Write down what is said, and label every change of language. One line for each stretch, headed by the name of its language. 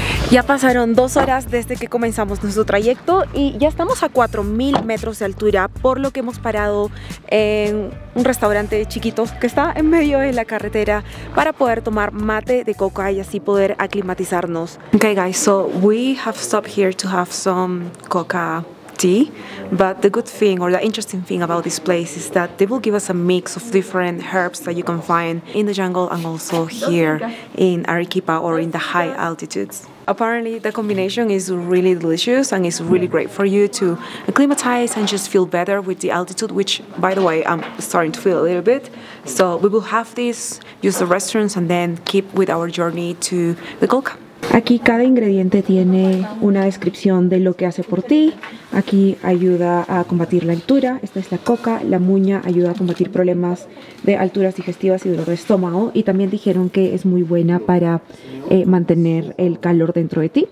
Spanish: Ya pasaron 2 horas desde que comenzamos nuestro trayecto y ya estamos a 4000 metros de altura, por lo que hemos parado en un restaurante chiquito que está en medio de la carretera para poder tomar mate de coca y así poder aclimatizarnos.
English: Okay guys, so we have stopped here to have some coca tea, but the good thing or the interesting thing about this place is that they will give us a mix of different herbs that you can find in the jungle and also here in Arequipa or in the high altitudes. Apparently the combination is really delicious and it's really great for you to acclimatize and just feel better with the altitude, which by the way I'm starting to feel a little bit. So we will have this, use the restaurants and then keep with our journey to the Colca.
Spanish: Aquí cada ingrediente tiene una descripción de lo que hace por ti. Aquí ayuda a combatir la altura. Esta es la coca. La muña ayuda a combatir problemas de alturas digestivas y dolor de estómago. Y también dijeron que es muy buena para mantener el calor dentro de ti.